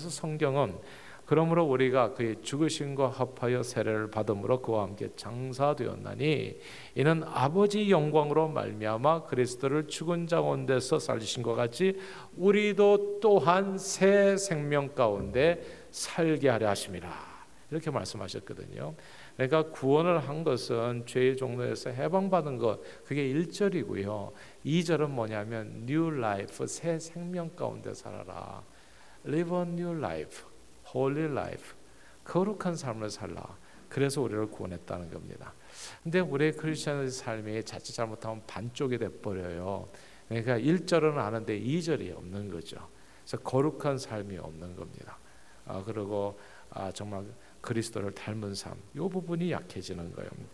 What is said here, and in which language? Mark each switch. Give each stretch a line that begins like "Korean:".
Korean: 그래서 성경은 그러므로 우리가 그의 죽으심과 합하여 세례를 받음으로 그와 함께 장사되었나니 이는 아버지 영광으로 말미암아 그리스도를 죽은 자 가운데서 살리신 것 같이 우리도 또한 새 생명 가운데 살게 하려 하심이라, 이렇게 말씀하셨거든요. 그러니까 구원을 한 것은 죄의 종노에서 해방받은 것, 그게 1절이고요. 2절은 뭐냐면 New Life, 새 생명 가운데 살아라.
English: Live a new life, Holy Life,
Korean: 거룩한 삶을 살라. 그래서 우리를 구원했다는 겁니다. 그런데 우리의 크리스천의 삶이 자칫 잘못하면 반쪽이 돼버려요. 그러니까 1절은 아는데 2절이 없는 거죠. 그래서 거룩한 삶이 없는 겁니다. 그리고 정말 그리스도를 닮은 삶, 이 부분이 약해지는 거예요.